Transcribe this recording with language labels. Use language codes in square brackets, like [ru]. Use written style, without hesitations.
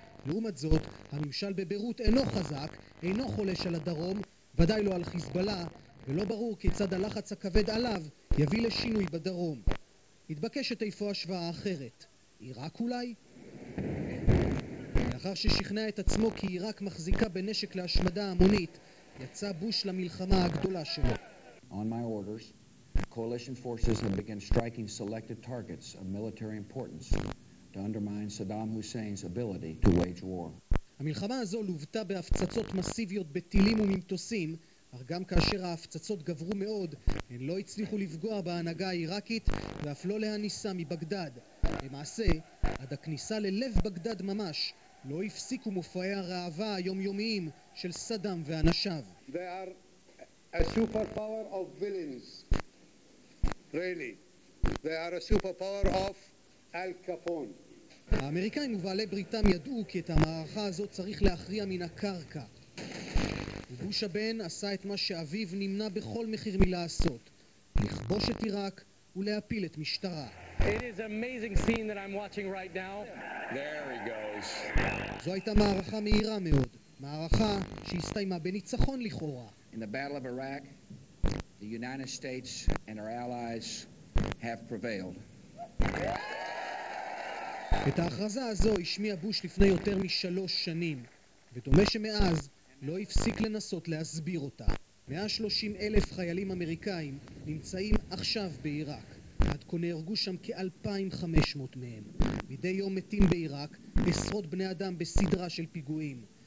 [he] לעומת זאת, הממשל בבירות אינו חזק, אינו חולש על הדרום, ודאי לא על חיזבאללה, ולא ברור כיצד הלחץ הכבד עליו יביא לשינוי בדרום. התבקשת איפה השוואה אחרת. עיראק אולי? לאחר ששכנע את עצמו כי עיראק מחזיקה בנשק להשמדה המונית, יצא בוש למלחמה הגדולה שלו. [en] On my orders, coalition forces have begun striking selected targets of military importance to undermine Saddam Hussein's ability to wage war. [he] המלחמה הזו לוותה בהפצצות מסיביות בטילים וממטוסים, אך גם כאשר ההפצצות גברו מאוד, הן לא הצליחו לפגוע בהנהגה העיראקית ואף לא להניסה מבגדד. למעשה, עד הכניסה ללב בגדד ממש, לא הפסיקו מופעי הרעבה היומיומיים של סדאם ואנשיו. [en] They are a superpower of villains, really. They are a superpower of Al Capone. [he] האמריקאים ובעלי בריתם ידעו כי את המערכה הזאת צריך להכריע מן הקרקע. ובוש הבן עשה את מה שאביו נמנע בכל מחיר מלעשות, לכבוש את עיראק ולהפיל את משטרה. [en] It is an amazing scene that I'm watching right now. There he goes. [he] זו הייתה מערכה מהירה מאוד, מערכה שהסתיימה בניצחון לכאורה. [en] In the battle of Iraq, the United States and our allies have prevailed. [he] את ההכרזה הזו השמיע בוש לפני יותר משלוש שנים, ודומה שמאז לא הפסיק לנסות להסביר אותה. 130 אלף חיילים אמריקאים נמצאים עכשיו בעיראק. עד כה נהרגו שם כ-2,500 מהם. מדי יום מתים בעיראק עשרות בני אדם בסדרה של פיגועים.